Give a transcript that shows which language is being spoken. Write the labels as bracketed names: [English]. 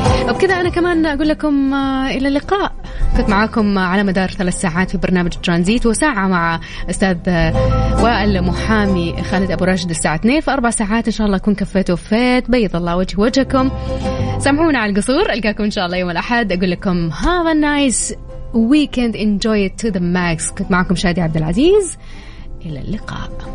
[Arabic] وبكذا أنا كمان أقول لكم إلى اللقاء. كنت معاكم على مدار 3 ساعات في برنامج ترانزيت, وساعة مع أستاذ والمحامي خالد أبو راشد الساعة 2. في 4 ساعات إن شاء الله أكون كفيت وفيت. بيض الله وجه وجهكم, سامحونا على القصور. ألقاكم إن شاء الله يوم الأحد. أقول لكم [English] have a nice weekend, enjoy it to the max. [Arabic] كنت معكم شادي عبد العزيز, إلى اللقاء.